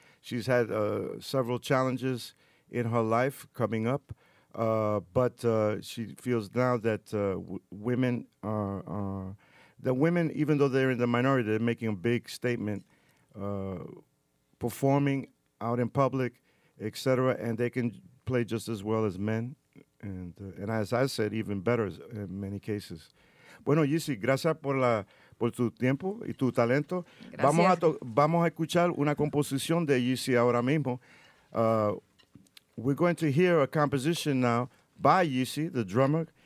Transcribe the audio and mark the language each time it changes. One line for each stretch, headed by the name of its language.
English: She's had several challenges in her life coming up, but she feels now that women are, even though they're in the minority, they're making a big statement, performing out in public, et cetera, and they can play just as well as men, and as I said, even better in many cases.
Spanish: Bueno, Yeezy, gracias por tu tiempo y tu talento. Gracias. Vamos a escuchar una composición de Yeezy ahora mismo.
English: We're going to hear a composition now by Yeezy, the drummer.